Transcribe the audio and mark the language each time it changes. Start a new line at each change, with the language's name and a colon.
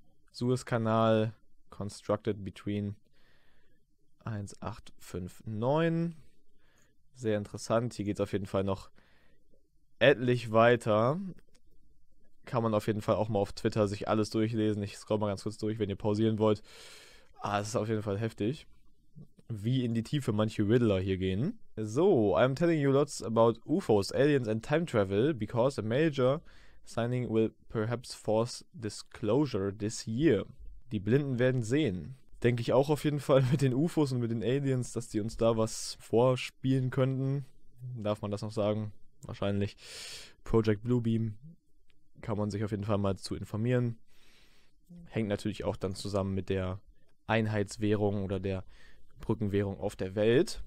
English: Suezkanal constructed between 1859.
German: Sehr interessant. Hier geht es auf jeden Fall noch etlich weiter. Kann man auf jeden Fall auch mal auf Twitter sich alles durchlesen. Ich scroll mal ganz kurz durch, wenn ihr pausieren wollt. Ah, es ist auf jeden Fall heftig, wie in die Tiefe manche Riddler hier gehen.
English: So, I'm telling you lots about UFOs, aliens and time travel because a major signing will perhaps force disclosure this year.
German: Die Blinden werden sehen. Denke ich auch auf jeden Fall mit den UFOs und mit den Aliens, dass die uns da was vorspielen könnten. Darf man das noch sagen? Wahrscheinlich. Project Bluebeam kann man sich auf jeden Fall mal zu informieren. Hängt natürlich auch dann zusammen mit der Einheitswährung oder der Brückenwährung auf der Welt.